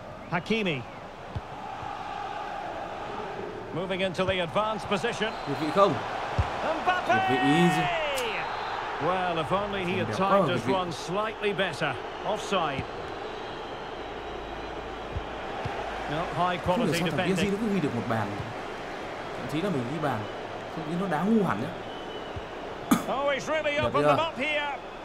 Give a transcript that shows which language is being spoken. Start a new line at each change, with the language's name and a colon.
English: Hakimi moving into the advanced position.
Vietnamese: Được vị không? Mbappe! Được vị easy.
English: Well, if only he had timed his run slightly better. Offside. No, high quality defending.
Vietnamese: Không hiểu sao thằng Vinh nó cứ ghi được một bàn. Thậm chí là mình ghi bàn. Không biết nó đá ngu hẳn nhá.
English: Oh, he's really opened them up here.